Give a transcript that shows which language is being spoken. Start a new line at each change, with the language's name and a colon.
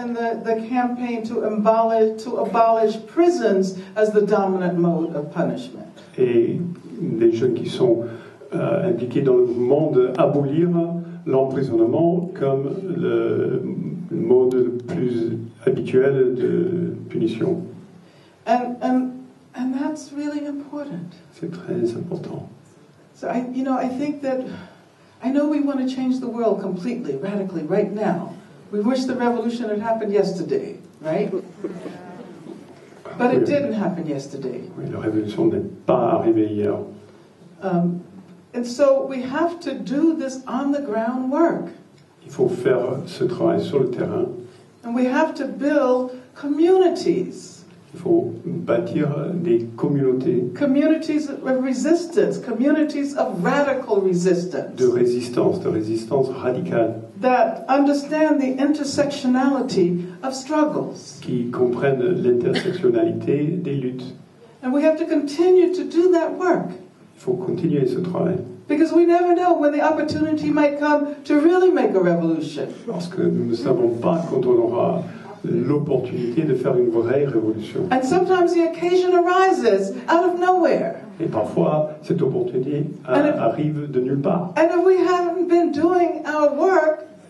English: in the campaign to abolish prisons as the dominant mode of punishment.
French: Et des jeunes qui sont impliqués dans le mouvement d'abolir l'emprisonnement comme le mode le plus habituel de punition.
English: And that's really important.
French: C'est très important.
English: So I know we want to change the world completely, radically, right now. We wish the revolution had happened yesterday, right? But it didn't happen yesterday.
French: Oui, la révolution n'est pas arrivée hier.
English: And so we have to do this on the ground work.
French: Il faut faire ce travail sur le terrain.
English: And we have to build communities.
French: Il faut bâtir des communautés.
English: Communities of resistance, communities of radical resistance.
French: De résistance radicale.
English: That understand the intersectionality of struggles.
French: Qui comprennent l'intersectionnalité des luttes.
English: And we have to continue to do that work.
French: Il faut continuer ce travail.
English: Because we never know when the opportunity might come to really make a revolution.
French: Parce que nous ne savons pas quand on aura l'opportunité de faire une vraie révolution.
English: And sometimes the occasion arises out of nowhere.
French: Et parfois, cette opportunité arrive de nulle part.
English: And if we haven't been doing our work,